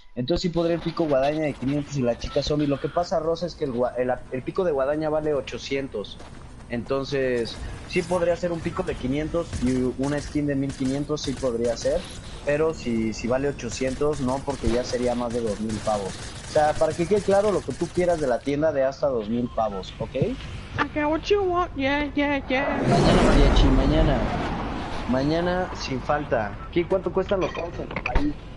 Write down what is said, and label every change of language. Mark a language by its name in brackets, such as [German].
[Spanish] Entonces sí podré el pico guadaña de 500 y la chica zombie. Lo que pasa, Rosa, es que el pico de guadaña vale 800. Entonces, sí podría ser un pico de 500 y una skin de 1500, sí podría ser. Pero si vale 800, no, porque ya sería más de 2000 pavos. O sea, para que quede claro, lo que tú quieras de la tienda de hasta 2000 pavos, ¿ok? [English] I got what you want, yeah, yeah, yeah. [Spanish] Mañana, mariachi, mañana. Mañana, sin falta. ¿Qué, cuánto cuestan los pavos en tu país?